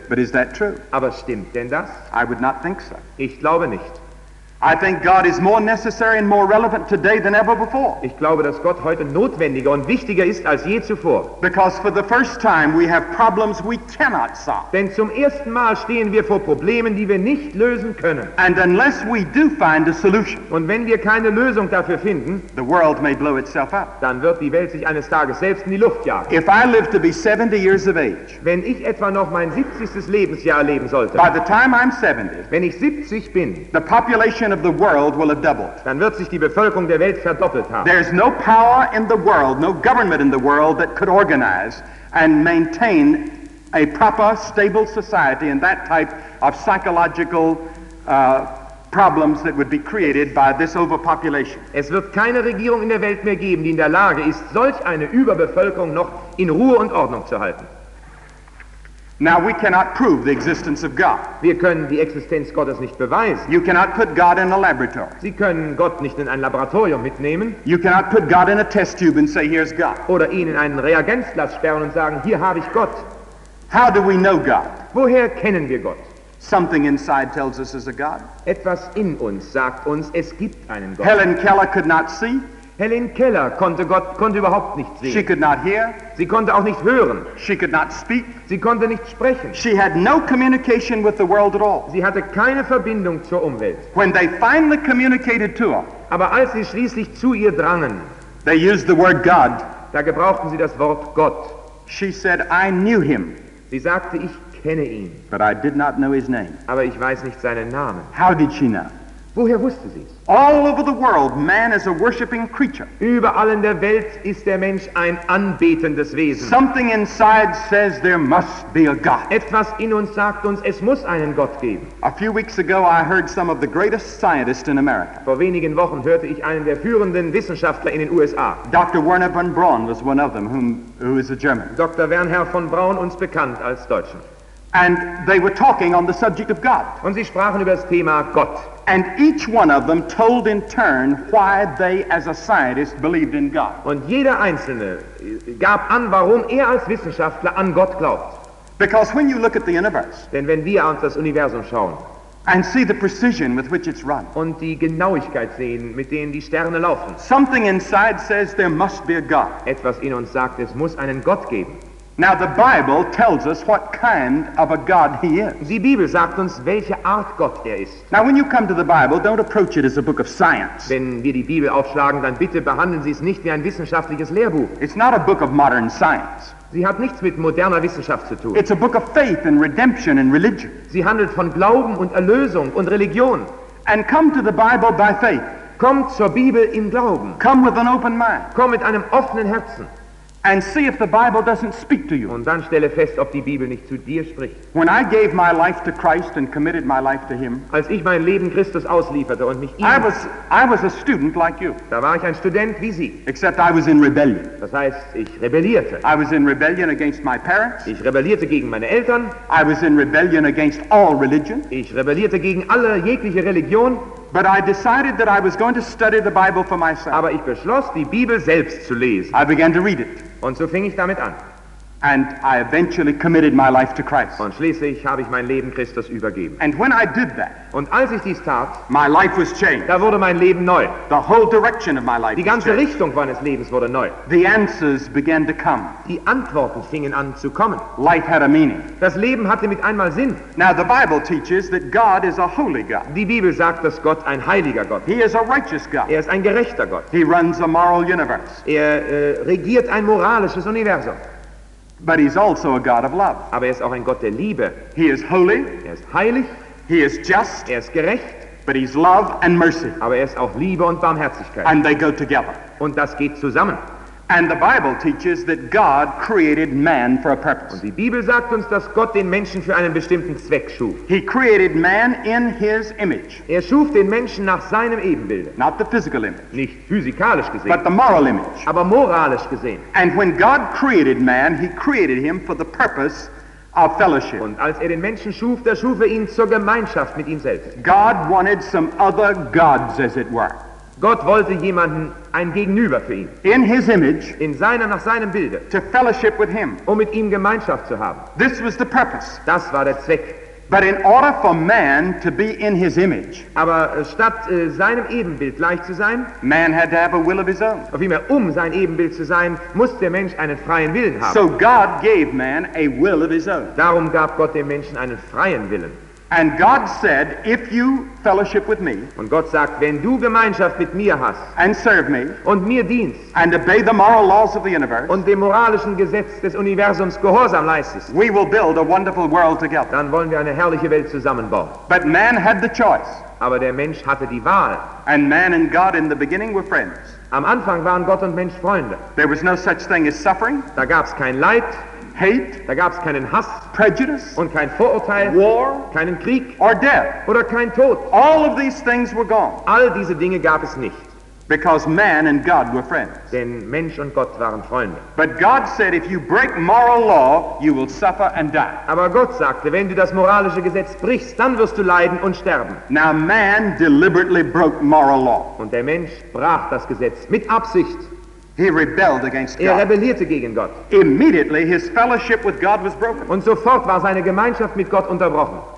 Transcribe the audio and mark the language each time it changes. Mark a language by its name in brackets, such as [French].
[English] But is that true? [German] Aber stimmt denn das? [English] I would not think so. [German] Ich glaube nicht. [English] I think God is more necessary and more relevant today than ever before. [German] Ich glaube, dass Gott heute notwendiger und wichtiger ist als je zuvor. [English] Because for the first time we have problems we cannot solve. [German] Denn zum ersten Mal stehen wir vor Problemen, die wir nicht lösen können. [English] And unless we do find a solution. [German] Und wenn wir keine Lösung dafür finden, [English] the world may blow itself up. [German] Dann wird die Welt sich eines Tages selbst in die Luft jagen. [English] If I live to be 70 years of age. [German] Wenn ich etwa noch mein 70. Lebensjahr leben sollte. [English] By the time I'm 70. [German] Wenn ich 70 bin. [English] The population of the world will have doubled. [German] Dann wird sich die Bevölkerung der Welt verdoppelt haben. [English] There is no power in the world, no government in the world that could organize and maintain a proper, stable society in that type of psychological problems that would be created by this overpopulation. [German] Es wird keine Regierung in der Welt mehr geben, die in der Lage ist, solch eine Überbevölkerung noch in Ruhe und Ordnung zu halten. [English] Now we cannot prove the existence of God. [German] Wir können die Existenz Gottes nicht beweisen. [English] You cannot put God in a laboratory. [German] Sie können Gott nicht in ein Laboratorium mitnehmen. [English] You cannot put God in a test tube and say, here's God. [German] Oder ihn in einen Reagenzglas sperren und sagen, hier habe ich Gott. [English] How do we know God? [German] Woher kennen wir Gott? [English] Something inside tells us there's a God. [German] Etwas in uns sagt uns, es gibt einen Gott. [English] Helen Keller could not see. [German] Helen Keller konnte überhaupt nicht sehen. [English] She could not hear. [German] Sie konnte auch nicht hören. [English] She could not speak. [German] Sie konnte nicht sprechen. [English] She had no communication with the world at all. [German] Sie hatte keine Verbindung zur Umwelt. [English] When they finally communicated to her, [German] aber als sie schließlich zu ihr drangen, [English] they used the word God. [German] Da gebrauchten sie das Wort Gott. [English] She said, I knew him. [German] Sie sagte, ich kenne ihn. [English] But I did not know his name. [German] Aber ich weiß nicht seinen Namen. [English] How did she know? [German] Woher wusste sie es? [English] All over the world, man is a worshiping creature. [German] Überall in der Welt ist der Mensch ein anbetendes Wesen. [English] Something inside says there must be a God. [German] Etwas in uns sagt uns, es muss einen Gott geben. [English] A few weeks ago, I heard some of the greatest scientists in America. [German] Vor wenigen Wochen hörte ich einen der führenden Wissenschaftler in den USA. [English] Dr. Werner von Braun was one of them, who is a German. [German] Dr. Werner von Braun, uns bekannt als Deutscher. [English] And they were talking on the subject of God. [German] Und sie sprachen über das Thema Gott. [English] And each one of them told in turn why they as a scientist believed in God. [German] Und jeder einzelne gab an, warum als Wissenschaftler an Gott glaubt. [English] Because when you look at the universe, [German] denn wenn wir uns das Universum schauen, [English] and see the precision with which it's run, [German] und die Genauigkeit sehen, mit denen die Sterne laufen, [English] something inside says there must be a God. [German] Etwas in uns sagt, es muss einen Gott geben. [English] Now the Bible tells us what kind of a God he is. [German] Die Bibel sagt uns, welche Art Gott er ist. [English] Now when you come to the Bible, don't approach it as a book of science. [German] Wenn wir die Bibel aufschlagen, dann bitte behandeln Sie es nicht wie ein wissenschaftliches Lehrbuch. [English] It's not a book of modern science. [German] Sie hat nichts mit moderner Wissenschaft zu tun. [English] It's a book of faith and redemption and religion. [German] Sie handelt von Glauben und Erlösung und Religion. [English] And come to the Bible by faith. [German] Komm zur Bibel im Glauben. [English] Come with an open mind. [German] Komm mit einem offenen Herzen. [English] And see if the Bible doesn't speak to you. [German] Und dann stelle fest, ob die Bibel nicht zu dir spricht. [English] When I gave my life to Christ and committed my life to him, [German] als ich mein Leben Christus auslieferte und mich ihm, [English] I was a student like you. [German] Da war ich ein Student wie Sie. [English] Except I was in rebellion. [German] Das heißt, ich rebellierte. [English] I was in rebellion against my parents. [German] Ich rebellierte gegen meine Eltern. [English] I was in rebellion against all religion. [German] Ich rebellierte gegen alle jegliche Religion. [English] But I decided that I was going to study the Bible for myself. [German] Aber ich beschloss, die Bibel selbst zu lesen. [English] I began to read it. [German] Und so fing ich damit an. [English] And I eventually committed my life to Christ. [German] Und schließlich habe ich mein Leben Christus übergeben. [English] And when I did that, [German] und als ich dies tat, [English] my life was changed. [German] Da wurde mein Leben neu. [English] The whole direction of my life. [German] Die ganze Richtung meines Lebens wurde neu. [English] The answers began to come. [German] Die Antworten fingen an zu kommen. [English] Life had a meaning. [German] Das Leben hatte mit einmal Sinn. [English] Now the Bible teaches that God is a holy God. [German] Die Bibel sagt, dass Gott ein heiliger Gott ist. [English] He is a righteous God. [German] Er ist ein gerechter Gott. [English] He runs a moral universe. [German] Er regiert ein moralisches Universum. [English] But he's also a God of love. [German] Aber er ist auch ein Gott der Liebe. [English] He is holy. [German] Er ist heilig. [English] He is just. [German] Er ist gerecht. [English] But he's love and mercy. [German] Aber er ist auch Liebe und Barmherzigkeit. [English] And they go together. [German] Und das geht zusammen. [English] And the Bible teaches that God created man for a purpose. [German] Und die Bibel sagt uns, dass Gott den Menschen für einen bestimmten Zweck schuf. [English] He created man in his image. [German] Er schuf den Menschen nach seinem Ebenbild. [English] Not the physical image. [German] Nicht physikalisch gesehen. [English] But the moral image. [German] Aber moralisch gesehen. [English] And when God created man, he created him for the purpose of fellowship. [German] Und als den Menschen schuf, da schuf ihn zur Gemeinschaft mit ihm selbst. [English] God wanted some other gods, as it were. [German] Gott wollte jemanden, ein Gegenüber für ihn. [English] In his image. [German] In seiner, nach seinem Bilde. [English] To fellowship with him. [German] Um mit ihm Gemeinschaft zu haben. [English] This was the purpose. [German] Das war der Zweck. [English] But in order for man to be in his image. [German] Aber statt seinem Ebenbild gleich zu sein. [English] Man had to have a will of his own. [German] Auf vielmehr, um sein Ebenbild zu sein, muss der Mensch einen freien Willen haben. [English] So God gave man a will of his own. [German] Darum gab Gott dem Menschen einen freien Willen. [English] And God said, if you fellowship with me, [German] und Gott sagt, wenn du Gemeinschaft mit mir hast, [English] and serve me, [German] und mir dienst, [English] and obey the moral laws of the universe, [German] und dem moralischen Gesetz des Universums Gehorsam leistest, [English] we will build a wonderful world together. [German] Dann wollen wir eine herrliche Welt zusammenbauen. [English] But man had the choice. [German] Aber der Mensch hatte die Wahl. [English] And man and God in the beginning were friends. [German] Am Anfang waren Gott und Mensch Freunde. [English] There was no such thing as suffering. [German] Da gab's kein Leid. [English] Hate, [German] da gab's keinen Hass, [English] prejudice, [German] und kein Vorurteil, [English] war, [German] keinen Krieg, [English] or death, [German] oder kein Tod. [English] All of these things were gone. [German] All diese Dinge gab es nicht. [English] Because man and God were friends. [German] Denn Mensch und Gott waren Freunde. [English] But God said, if you break moral law, you will suffer and die. [German] Aber Gott sagte, wenn du das moralische Gesetz brichst, dann wirst du leiden und sterben. [English] Now man deliberately broke moral law. [German] Und der Mensch brach das Gesetz mit Absicht. [English] He rebelled against God. [German] Er rebellierte gegen Gott. [English] Immediately his fellowship with God was broken. [German] Und sofort war seine Gemeinschaft mit Gott unterbrochen.